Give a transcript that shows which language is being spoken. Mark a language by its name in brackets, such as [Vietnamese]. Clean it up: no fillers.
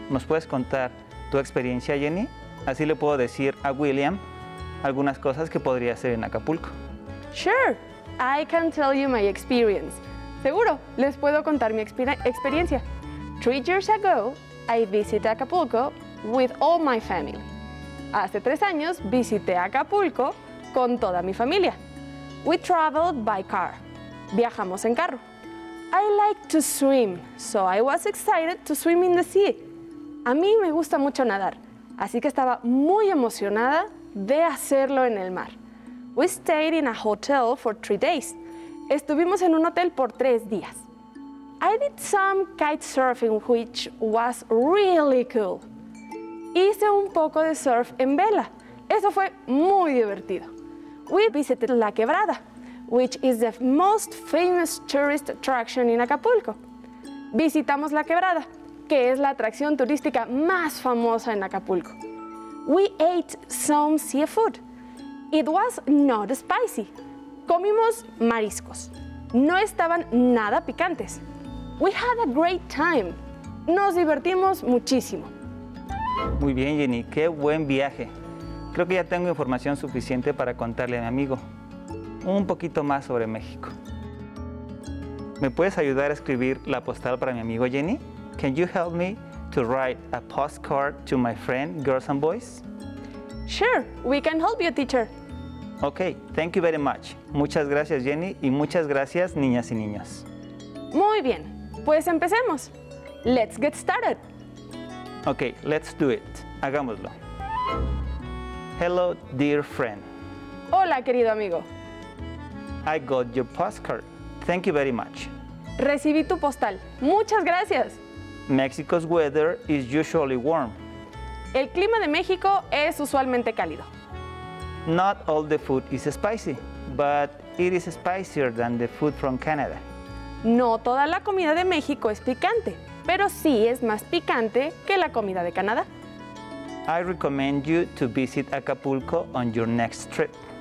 [Spanish] ¿Nos puedes contar tu experiencia, Jenny? Así le puedo decir a William algunas cosas que podría hacer en Acapulco. [English] Sure, I can tell you my experience. [Spanish] Seguro, les puedo contar mi experiencia. [English] 3 years ago, I visited Acapulco with all my family. [Spanish] Hace 3 años, visité Acapulco con toda mi familia. [English] We traveled by car. [Spanish] Viajamos en carro. [English] I like to swim, so I was excited to swim in the sea. [Spanish] A mí me gusta mucho nadar, así que estaba muy emocionada de hacerlo en el mar. [English] We stayed in a hotel for 3 days. [Spanish] Estuvimos en un hotel por 3 días. [English] I did some kite surfing, which was really cool. [Spanish] Hice un poco de surf en vela. Eso fue muy divertido. [English] We visited La Quebrada, which is the most famous tourist attraction in Acapulco. [Spanish] Visitamos La Quebrada, que es la atracción turística más famosa en Acapulco. [English] We ate some seafood. It was not spicy. [Spanish] Comimos mariscos. No estaban nada picantes. [English] We had a great time. [Spanish] Nos divertimos muchísimo. Muy bien, Jenny. Qué buen viaje. Creo que ya tengo información suficiente para contarle a mi amigo un poquito más sobre México. ¿Me puedes ayudar a escribir la postal para mi amigo Jenny? [English] Can you help me to write a postcard to my friend, girls and boys? Sure, we can help you, teacher. Okay, thank you very much. [Spanish] Muchas gracias, Jenny, y muchas gracias, niñas y niños. Muy bien, pues empecemos. [English] Let's get started. Okay, let's do it. [Spanish] Hagámoslo. [English] Hello, dear friend. [Spanish] Hola, querido amigo. [English] I got your postcard. Thank you very much. [Spanish] Recibí tu postal. Muchas gracias. [English] Mexico's weather is usually warm. [Spanish] El clima de México es usualmente cálido. [English] Not all the food is spicy, but it is spicier than the food from Canada. [Spanish] No toda la comida de México es picante, pero sí es más picante que la comida de Canadá. [English] I recommend you to visit Acapulco on your next trip.